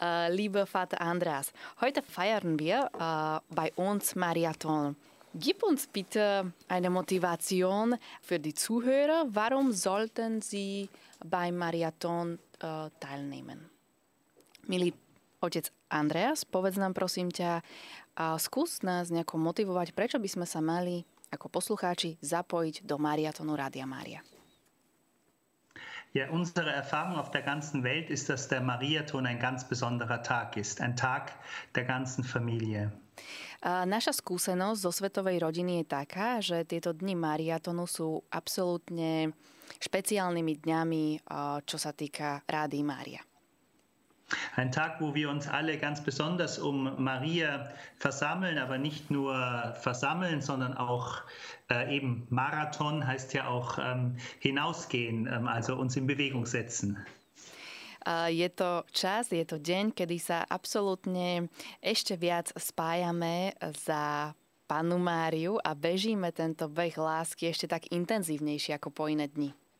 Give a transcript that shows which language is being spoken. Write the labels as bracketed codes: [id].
[de] Liebe Vater Andreas, heute feiern wir bei uns Mariaton. Gib uns bitte eine Motivation für die Zuhörer. Warum sollten sie beim Mariathon teilnehmen? [sk] Milý otec Andreas, povedz nám prosím ťa, skús nás nejako motivovať, prečo by sme sa mali ako poslucháči zapojiť do Mariathonu Rádia Mária. [de] Ja, unsere Erfahrung auf der ganzen Welt ist, dass der Mariathon ein ganz besonderer Tag ist. Ein Tag der ganzen Familie. [sk] Naša skúsenosť zo svetovej rodiny je taká, že tieto dni Mariatonu sú absolútne špeciálnymi dňami, čo sa týka Rády Mária. [de] Ein Tag, wo wir uns alle ganz besonders um Maria versammeln, aber nicht nur versammeln, sondern auch eben Marathon heißt ja auch hinausgehen, also uns in Bewegung setzen. [sk] Je to čas, je to deň, kedy sa absolútne ešte viac spájame za Pannu Máriu a bežíme tento beh lásky ešte tak intenzívnejšie ako po iné dni.